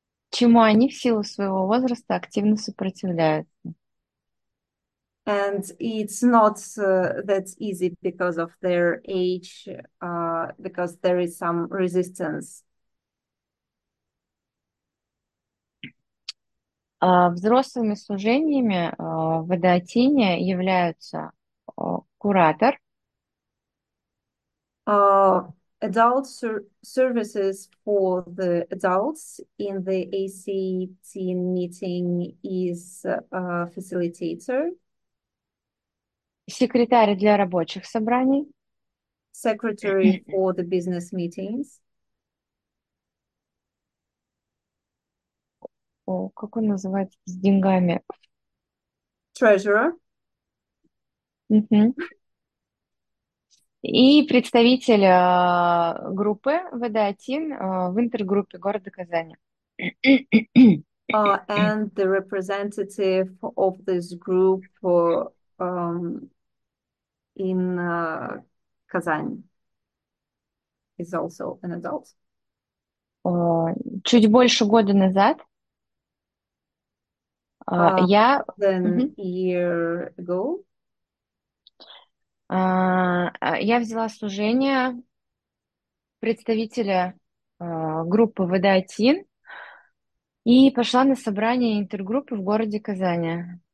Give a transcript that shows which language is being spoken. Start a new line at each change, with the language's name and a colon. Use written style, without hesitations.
Russian: Чему они в силу своего возраста активно сопротивляются.
English: And it's not that easy because of their age, because there is some resistance.
Russian: Взрослыми служениями в Адоатине являются куратор.
English: Adult services for the adults in the ACT meeting is a facilitator.
Russian: Секретарь для рабочих собраний.
English: Secretary for the business meetings.
Russian: О, как он называется с деньгами?
English: Treasurer.
Russian: И представитель группы ВД1 в интергруппе города Казани.
English: And the representative of this group for, in Kazan. Is also an adult.
Russian: Чуть больше года назад я
English: Then year ago.
Russian: взяла служение представителя группы ВД1 и пошла на собрание интергруппы в городе Казани.